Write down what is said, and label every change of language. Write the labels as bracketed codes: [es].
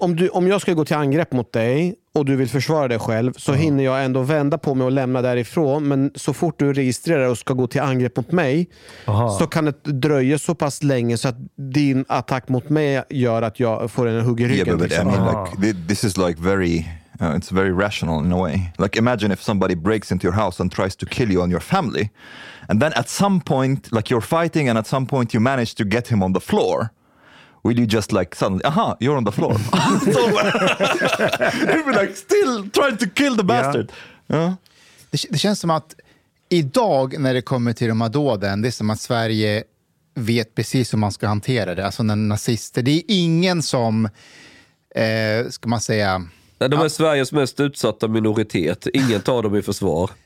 [sv] Om jag ska gå till angrepp mot dig och du vill försvara dig själv, så hinner jag ändå vända på mig och lämna därifrån. Men så fort du registrerar och ska gå till angrepp mot mig, så kan det dröja så pass länge så att din attack mot mig gör att jag får en hugg i ryggen. [en] Yeah, liksom. I mean, like, this is like very... it's very rational in a way. Like, imagine if somebody breaks into your house and tries to kill you and your family. And then at some point, like, you're fighting and at some point you manage to get him on the floor. Will you just, like, suddenly, you're on the floor. You'd be, like, still trying to kill the bastard. Yeah. [sv] Det känns som att idag när det kommer till de här dåden, det är som att Sverige vet precis hur man ska hantera det. Alltså, när nazister, det är ingen som, ska man säga... De är Sveriges mest utsatta minoritet. Ingen tar dem i försvar.